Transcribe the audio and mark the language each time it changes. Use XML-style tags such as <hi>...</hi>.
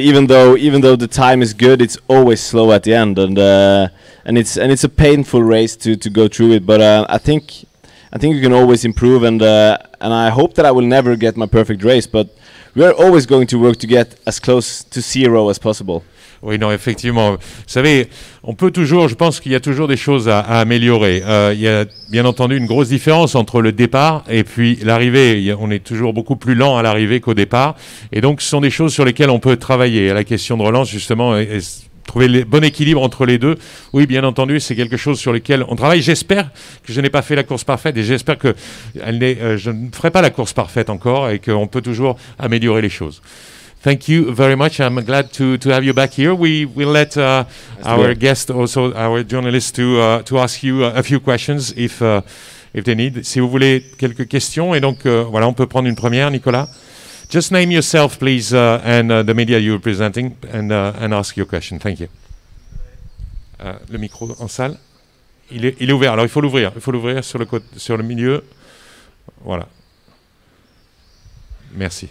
<en>Even though the time is good, it's always slow at the end. And it's a painful race to go through it. But I think you can always improve, and I hope that I will never get my perfect race, but we are always going to work to get as close to zero as possible.</en> <fr>Oui, non, effectivement. Vous savez, on peut toujours, je pense qu'il y a toujours des choses à améliorer. Il y a bien entendu une grosse différence entre le départ et puis l'arrivée. On est toujours beaucoup plus lent à l'arrivée qu'au départ. Et donc, ce sont des choses sur lesquelles on peut travailler. La question de relance, justement, est trouver le bon équilibre entre les deux. Oui, bien entendu, c'est quelque chose sur lequel on travaille. J'espère que je n'ai pas fait la course parfaite et j'espère que je ne ferai pas la course parfaite encore et qu'on peut toujours améliorer les choses.</fr> <en>Thank you very much. I'm glad to have you back here. We let our guest, also our journalist, to ask you a few questions if they need.</en> <fr>Si vous voulez quelques questions, et donc voilà, on peut prendre une première, Nicolas.</fr> <en>Just name yourself, please, and the media you're representing, and ask your question. Thank you.</en> <fr>Le micro en salle, il est ouvert. Alors il faut l'ouvrir sur le milieu. Voilà. Merci.</fr>